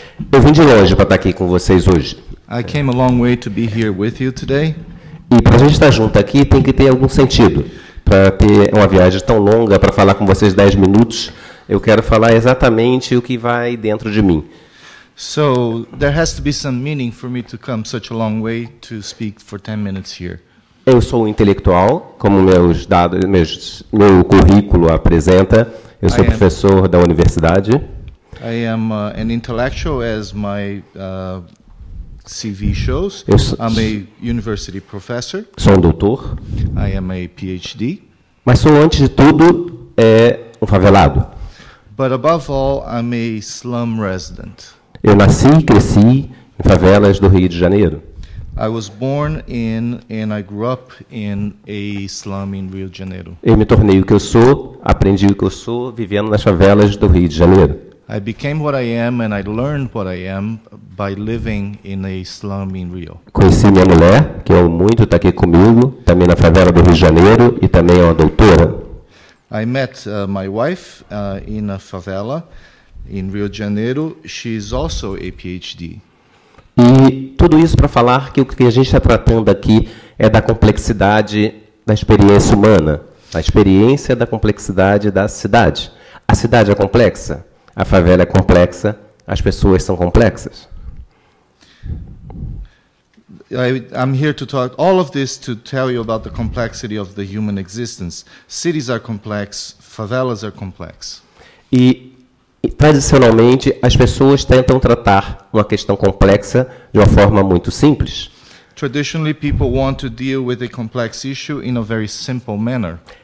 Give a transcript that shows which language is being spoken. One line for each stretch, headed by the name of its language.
Portuguese: Eu vim de longe para estar aqui com vocês hoje.
English: I came a long way to be here with you today.
Portuguese: E para a gente estar junto aqui tem que ter algum sentido. Para ter uma viagem tão longa, para falar com vocês 10 minutos, eu quero falar exatamente o que vai dentro de mim.
English: So, there has to be some meaning for me to come such a long way to speak for 10 minutes here.
Portuguese: Eu sou intelectual, como meus dados, meu currículo apresenta. Eu sou professor da universidade.
English: I am an intellectual, as my CV shows. I'm a university professor.
Portuguese: Sou um doutor.
English: I am a PhD.
Portuguese: Mas sou, antes de tudo, um favelado.
English: But above all, I'm a slum resident.
Portuguese: Eu nasci e cresci em favelas do Rio de Janeiro.
English: I was born in and I grew up in a slum in Rio de Janeiro.
Portuguese: Eu me tornei o que eu sou, aprendi o que eu sou vivendo nas favelas do Rio de Janeiro.
English: I became what I am and I learned what I am by living in a slum in Rio.
Portuguese: Conheci minha mulher, que eu amo muito, está aqui comigo, também na favela do Rio de Janeiro e também é uma doutora.
English: I met my wife in a favela in Rio de Janeiro. She's also a PhD.
Portuguese: E tudo isso para falar que o que a gente está tratando aqui é da complexidade da experiência humana, a experiência da complexidade da cidade. A cidade é complexa, a favela é complexa, as pessoas são complexas.
English: I'm here to talk all of this to tell you about the complexity of the human existence. Cities are complex, favelas are complex.
Portuguese: E tradicionalmente, as pessoas tentam tratar uma questão complexa de uma forma muito simples.
English: Traditionally, people want to deal with a complex issue in a very simple manner.